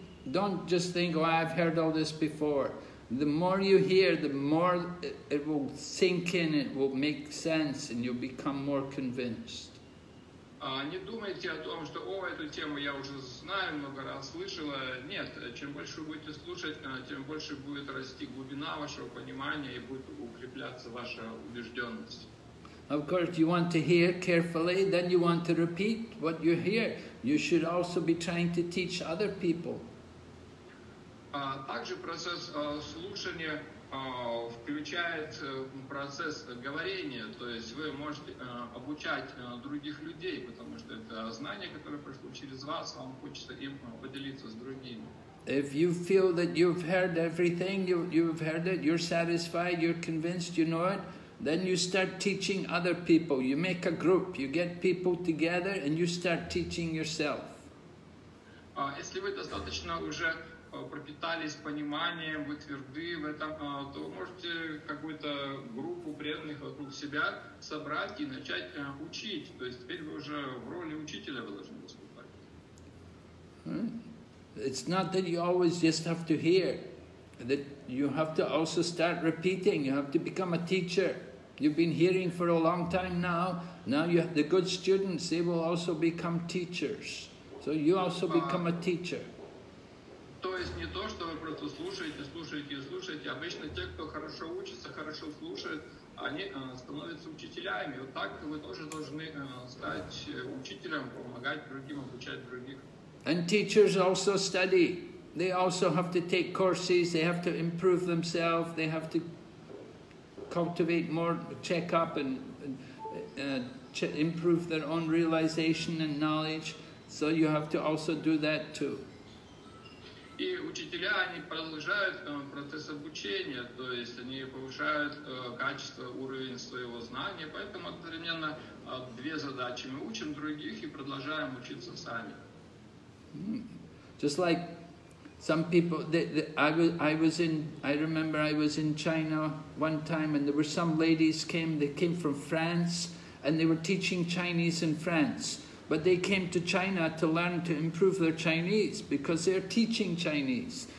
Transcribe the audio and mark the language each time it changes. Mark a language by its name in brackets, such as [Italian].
[English] Don't just think, oh, I've heard all this before. The more you hear, the more it will sink in, it will make sense, and you'll become more convinced. [Russian] Не думайте о том, что, о, эту тему я уже знаю, много раз слышала. Нет, чем больше вы будете слушать, тем больше будет расти глубина вашего понимания и будет укрепляться ваша убежденность. [English] Of course, you want to hear carefully, then you want to repeat what you hear. You should also be trying to teach other people. [Russian] Также процесс слушания включает процесс говорения, то есть вы можете обучать других людей, потому что это знание, которое прошло через вас, вам хочется им поделиться с другими. [English] If you feel that you've heard everything, you've heard it, you're satisfied, you're convinced, you know it, then you start teaching other people. You make a group, you get people together, and you start teaching yourself. [Russian] Если вы достаточно уже пропитались пониманием, вы тверды в этом, то вы можете какую-то группу преданных вокруг себя собрать и начать учить. То есть теперь вы уже в роли учителя вы должны выступать. [English] It's not that you always just have to hear, that you have to also start repeating, you have to become a teacher. You've been hearing for a long time now, now you have the good students, they will also become teachers. So you also become a teacher. [Russian] То есть не то, что вы просто слушаете, слушаете и слушаете. Обычно те, кто хорошо учится, хорошо слушает, они становятся учителями. Вот так вы тоже должны стать учителем, помогать другим, обучать других. [English] And teachers also study. They also have to take courses, they have to improve themselves, they have to cultivate more, check up and improve their own realization and knowledge. So you have to also do that too. [Russian] И учителя, они продолжают процесс обучения, то есть они повышают качество, уровень своего знания, поэтому одновременно две задачи. Мы учим других и продолжаем учиться сами. [English] Just like some people, I remember I was in China one time, and there were some ladies came from France, and they were teaching Chinese in France. But they came to China to learn to improve their Chinese, because they're teaching Chinese.